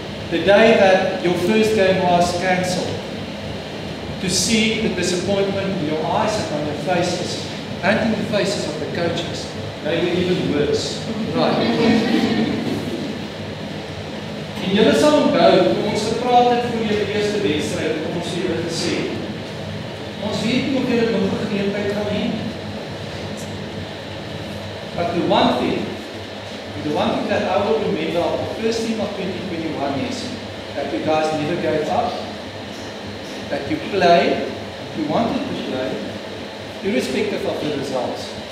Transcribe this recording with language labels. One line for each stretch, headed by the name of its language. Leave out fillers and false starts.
English: The day that your first game was cancelled, to see the disappointment in your eyes and on your faces, and in the faces of the coaches, maybe even worse. Right.
Afrikaans: En julle sal onthou, ons gepraat het voor julle eerste wedstryd, het ons julle gesê, ons weet nie of julle nog geleentheid gaan hê.
English: But the one thing that I will remember of the first team of 2021 is that you guys never gave up, that you play, if you wanted to play, irrespective of the results.